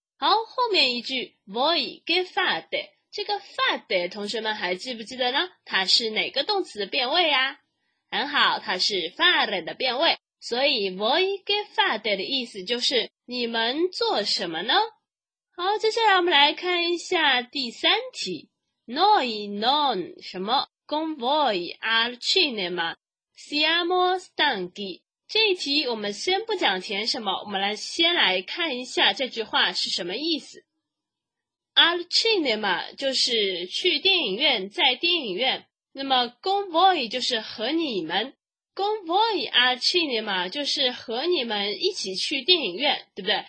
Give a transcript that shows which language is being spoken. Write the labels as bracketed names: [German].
[Chinese] 好，后面一句 [Italian] voi che fate， [Chinese] 这个 fate 同学们还记不记得呢？它是哪个动词变位啊？很好，它是 fare 的变位，所以 [Italian] voi che fate [Chinese] 的意思就是你们做什么呢？好，接下来我们来看一下第三题。 [Italian] Noi non 什么 con voi al cinema siamo stanchi。 [Chinese] 这一题我们先不讲填什么，我们来先来看一下这句话是什么意思。 [Italian] Al cinema [Chinese] 就是去电影院，在电影院。那么 [Italian] con voi [Chinese] 就是和你们。 [Italian] Con voi al cinema [Chinese] 就是和你们一起去电影院，对不对？